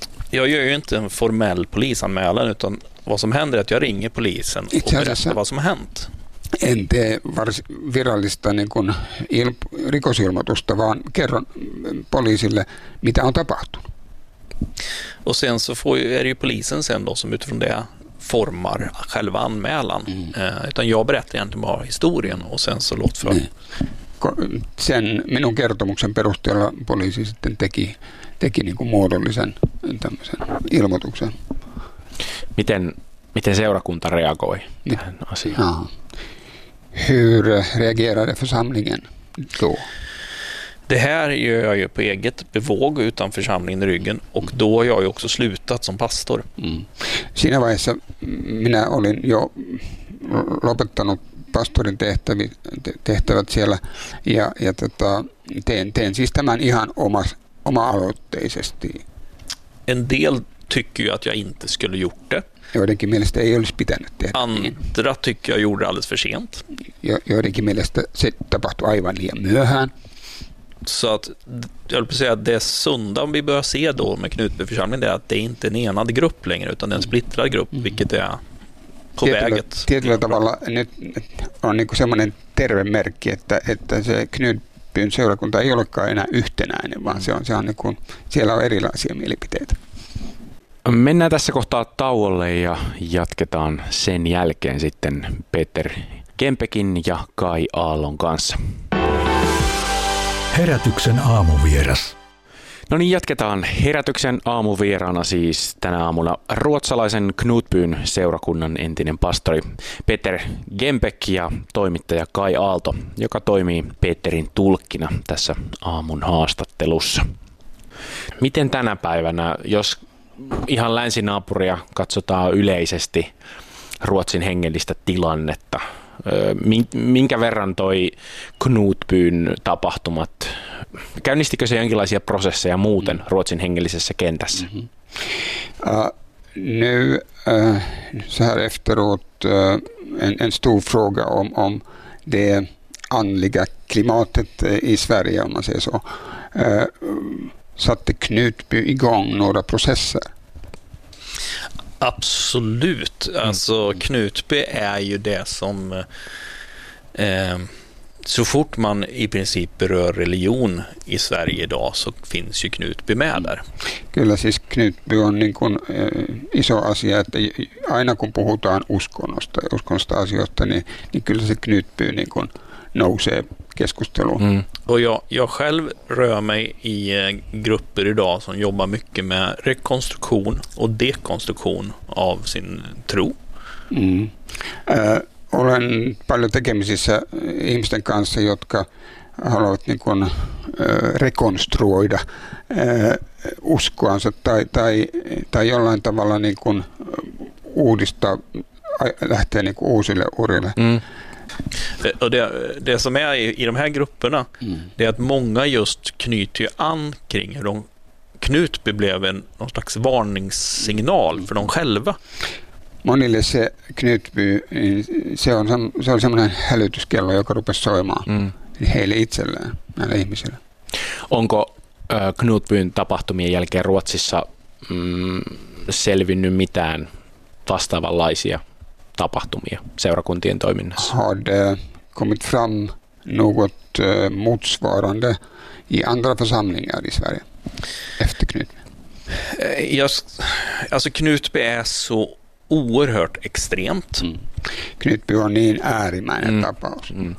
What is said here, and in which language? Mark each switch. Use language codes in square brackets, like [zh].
[sv] Jag gör ju inte en formell polisanmälan, utan vad som händer är att jag ringer polisen och berättar vad som har hänt. [fi] Inte virallista rikosilmoitusta, vaan kerron poliisille, mitä on tapahtunut. [sv] Och sen så får, är det ju polisen sen då som utifrån det formar själva anmälan. Mm. Utan jag berättar egentligen bara historien och sen så låt för... [fi] Sen minun kertomuksen perusteella poliisi sitten teki niin kuin muodollisen tämmöisen ilmoituksen. Miten seurakunta reagoi tähän asiaan? Aha. [sv] Hur reagerade församlingen då? Det här gör jag ju på eget bevåg utan församlingen i ryggen, och då har jag ju också slutat som pastor. [fi] Siinä vaiheessa minä olin jo lopettanut pastorin tehtävät siellä ja teen siis tämän ihan oma-aloitteisesti. [sv] En del tycker ju att jag inte skulle gjort det. [fi] Joidenkin mielestä ei olisi pitänyt tehdä. [sv] Andra tycker jag gjorde alldeles för sent. [fi] Joidenkin mielestä se tapahtui aivan liian myöhään. [sv] Så att, jag vill säga att det sunda vi börjar se då med Knutbyförsamlingen är att det inte är en enad grupp längre utan det är en splittrad grupp, vilket är på väget. [fi] Tietyllä tavalla nyt on niinku semmoinen terve merkki, että se Knutbyn seurakunta ei olekaan enää yhtenäinen, vaan se on niinku, siellä on erilaisia mielipiteitä. Mennään tässä kohtaa tauolle ja jatketaan sen jälkeen sitten Peter Kempekin ja Kai Aallon kanssa. Herätyksen aamuvieras. No niin, jatketaan herätyksen aamuvieraana siis tänä aamuna ruotsalaisen Knutbyn seurakunnan entinen pastori Peter Gembeck ja toimittaja Kai Aalto, joka toimii Peterin tulkkina tässä aamun haastattelussa. Miten tänä päivänä, jos ihan länsinaapuria katsotaan yleisesti Ruotsin hengellistä tilannetta, minkä verran toi Knutbyn tapahtumat, käynnistikö se jonkinlaisia prosesseja muuten Ruotsin hengellisessä kentässä? [sv] Nu så här efteråt en stor fråga om det andliga klimatet i Sverige, om man säger så. Satte Knutby igång några processer? Absolut. Alltså Knutby är ju det som så fort man i princip berör religion i Sverige idag så finns ju Knutby med där. [fi] Kyllä, siis Knutby on niin kuin iso asia, että aina kun puhutaan uskonnosta ja uskonnosta asioista, niin kyllä se Knutby niin kuin nousee keskusteluun. Mm. [sv] Och jag själv rör mig i grupper idag som jobbar mycket med rekonstruktion och dekonstruktion av sin tro. [fi] Olen paljon tekemisissä ihmisten kanssa, jotka haluavat niin kuin rekonstruoida uskoansa tai jollain tavalla niin kuin uudistaa, lähteä niin kuin uusille urille. Mm. [sv] Och det som är i de här grupperna det är att många just knyter ju an kring hur Knutby blev en någon slags varningssignal för dem själva. [fi] Monille se Knutby, se on semmoinen hälytyskello, joka rupesi soimaan heille itselleen, näille ihmisille. Onko Knutbyn tapahtumien jälkeen Ruotsissa selvinnyt mitään vastaavanlaisia tapahtumia seurakuntien toiminnassa? [sv] Har det kommit fram något motsvarande i andra församlingar i Sverige efter Knutby? Alltså Knutby är så oerhört extremt. [fi] Knutby var ni en ärimäinen tapaus.